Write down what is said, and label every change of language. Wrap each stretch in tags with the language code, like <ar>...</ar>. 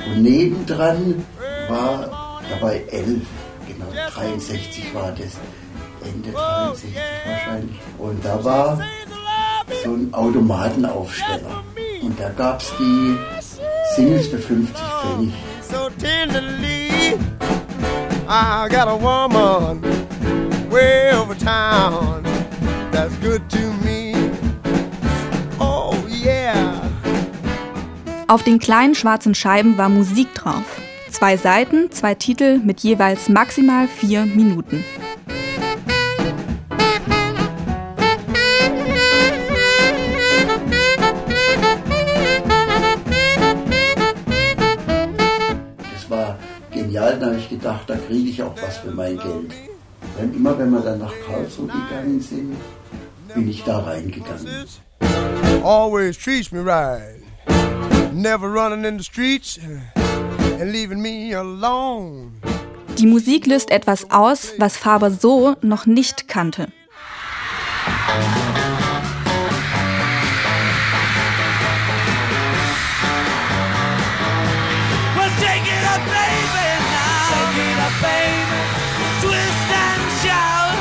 <de>Und nebendran war dabei 11, genau, 63 war das, Ende 63 wahrscheinlich. Und da war so ein Automatenaufsteller. Und da gab es die Singles für 50 Pfennig.</de> <en>So tenderly, I got a woman way over town, that's good to me.</en> <de>Auf den kleinen schwarzen Scheiben war Musik drauf. Zwei Seiten, zwei Titel mit jeweils maximal 4 Minuten. Das war genial, da habe ich gedacht, da kriege ich auch was für mein Geld. Denn immer wenn wir dann nach Karlsruhe gegangen sind, bin ich da reingegangen.</de> <en>Always treats me right. Never running in the streets and leaving me alone.</en> <de>Die Musik löst etwas aus, was Faber so noch nicht kannte.</de> <en>Take it up, baby, now. Take it up, baby. Twist and shout.</en>